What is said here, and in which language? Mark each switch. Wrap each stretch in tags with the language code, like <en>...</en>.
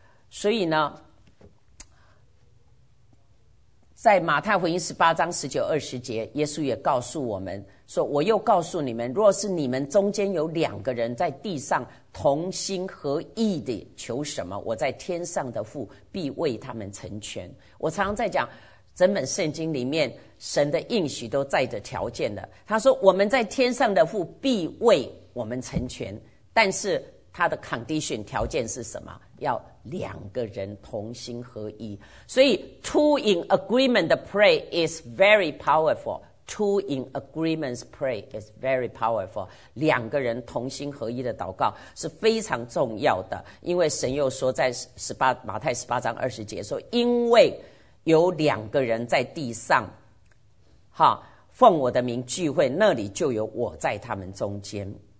<zh>所以呢，在马太福音18:19-20，耶稣也告诉我们说，我又告诉你们，若是你们中间有两个人在地上同心合意地求什么，我在天上的父必为他们成全。我常常在讲，整本圣经里面神的应许都带着条件的，他说我们在天上的父必为我们成全，但是他的 condition 条件是什么？要两个人同心合一。所以</zh> <en>two in agreement pray is very powerful. Two in agreement pray is very powerful.</en> <zh>两个人同心合一的祷告是非常重要的。因为神又说在马太18:20说，因为有两个人在地上奉我的名聚会，那里就有我在他们中间。</zh>